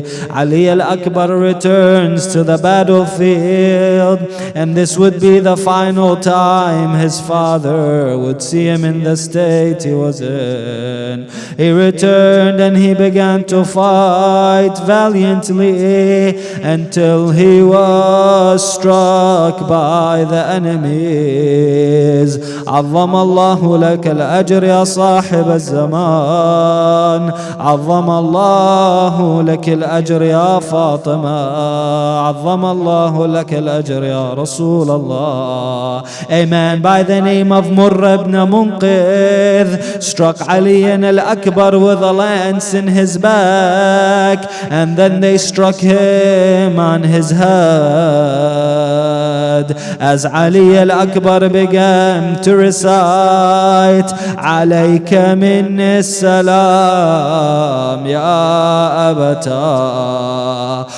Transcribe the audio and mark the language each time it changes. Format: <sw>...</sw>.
<en>Ali al-Akbar returns to the battlefield, and this would be the final time his father would see him in the state he was in. He returned and he began to fight valiantly until he was struck by the enemies.</en> <ar>عظم الله لك الأجر يا صاحب الزمان، عظم الله لك الأجر يا فاطمة، عظم الله لك الأجر يا رسول الله.</ar> <en>A man by the name of Murr ibn Munqidh struck Ali al-Akbar with a lance in his back, and then they struck him on his head. God, as Ali al-Akbar began to recite, Alayka minni salam ya abata.</en>